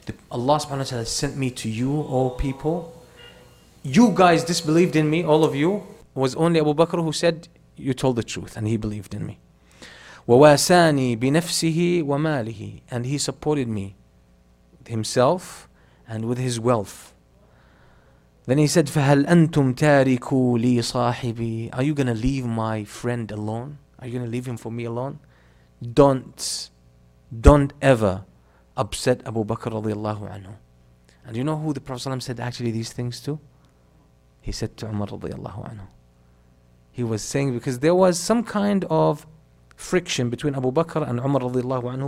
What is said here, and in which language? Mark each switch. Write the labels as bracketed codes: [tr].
[en] Allah subhanahu wa ta'ala sent me to you, all people. You guys disbelieved in me, all of you. It was only Abu Bakr who said, you told the truth, and he believed in me. [ar] وَوَاسَانِي بِنَفْسِهِ وَمَالِهِ. [en] And he supported me, himself, and with his wealth. Then he said, [ar] فَهَلْ أَنْتُمْ تَارِكُوا لِي صَاحِبِي. [en] Are you going to leave my friend alone? Are you going to leave him for me alone? Don't ever upset Abu Bakr radiallahu anhu. And you know who the Prophet said actually these things to? He said to Umar radiallahu anhu. He was saying, because there was some kind of friction between Abu Bakr and Umar radiallahu anhu.